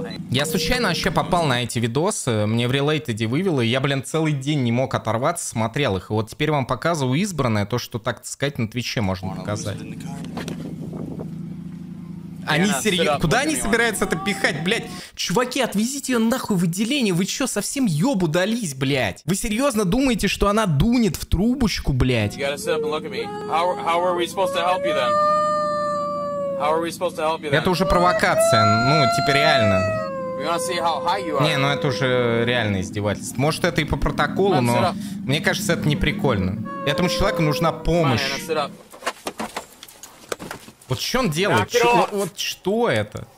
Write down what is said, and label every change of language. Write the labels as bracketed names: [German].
[Russian] Я случайно вообще попал на эти видосы, мне в Related'е вывело, и я, блин, целый день не мог оторваться, смотрел их. И вот теперь вам показываю избранное, то, что, так сказать, на Твиче можно показать. Они серьезно? Куда они собираются это пихать, блядь? Чуваки, отвезите ее нахуй в отделение, вы что, совсем ёбу дались, блядь? Вы серьезно думаете, что она дунет в трубочку, блядь? [English] You gotta sit up and look at me. How are we supposed to help you then? [Russian] Это уже провокация, ну, типа реально. Не, ну это уже реальное издевательство. Может, это и по протоколу, но мне кажется, это не прикольно. Этому человеку нужна помощь. Вот что он делает? Вот что это?